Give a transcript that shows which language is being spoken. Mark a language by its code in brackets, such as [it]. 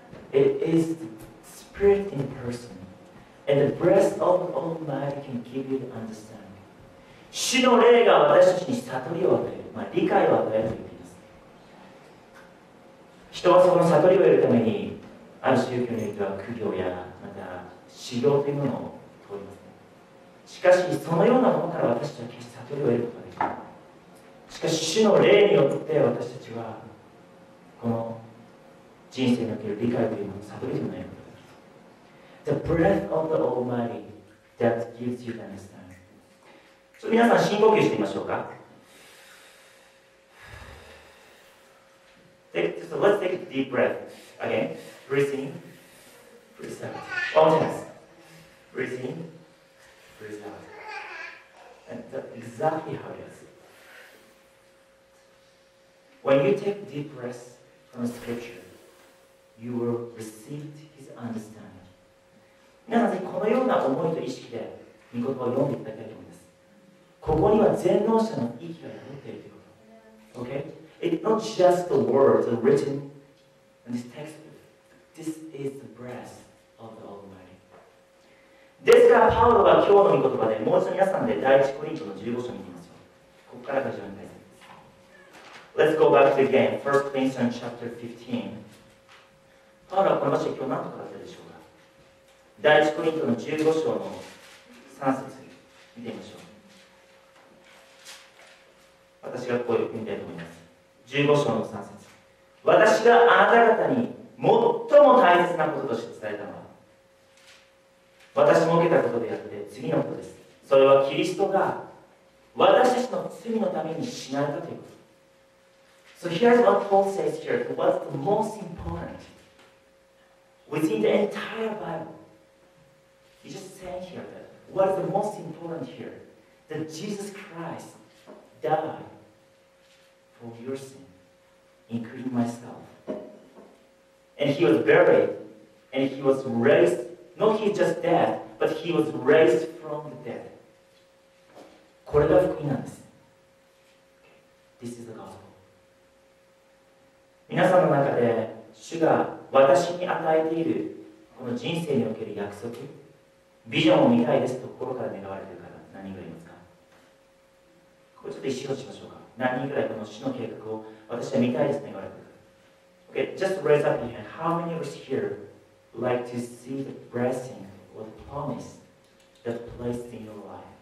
[en] It is the spirit in person, and the breath of the Almighty can give you the understanding. [ja] 主の霊が私たちに悟りを与える、まあ、理解を与えると言っています。人はその悟りを得るために、ある宗教においては苦行やまた修行というものを通りますね。しかし、そのようなものから私たちは決して悟りを得ることができない。しかし、主の霊によって私たちは、この人生における理解というものを悟りとないことです。 [en] The breath of the Almighty that gives you the understanding. [ja] ちょっと皆さん深呼吸してみましょうか。 [en] So let's take a deep breath. Again, breathe in, breathe out. One more time. Breathe in, breathe out. And that's exactly how it is. When you take deep breaths from the scripture,You will receive his understanding. [ja] 皆さんぜひこのような思いと意識で御言葉を読んでいただきたいと思います。ここには全能者の息が宿っているということ。 [en] Okay? It's not just the words written in this textbook. This is the breath of the Almighty. [ja] ですからパウロは今日の御言葉でもう一度皆さんで第一コリントの15章を見てみましょう。ここからが非常に大切です。 [en] Let's go back to again. 1 Corinthians chapter 15. [ja] パウロはこの場所で今日何と語ったでしょうか。第一コリントの15章の3節を見てみましょう。私がこう言ってみたいと思います。15章の3節、私があなた方に最も大切なこととして伝えたのは、私も受けたことであって次のことです。それはキリストが私たちの罪のために死なれたということ。 [en] So here's what Paul says here. What's the most importantWithin the entire Bible, he just said here that what is the most important here? That Jesus Christ died for your sin, including myself. And he was buried, and he was raised. Not he just dead, but he was raised from the dead. [ja] これが福音なんです。 [en] This is the gospel. [ja] 皆さんの中で主が私に与えているこの人生における約束、ビジョンを見たいですと心から願われている方、何人ぐらいいますか。これちょっと意思表示しましょうか。何人ぐらいこの主の計画を私は見たいですと願われている方。 [en] Okay, just raise up your hand. How many of us here would like to see the blessing or the promise that's placed in your life?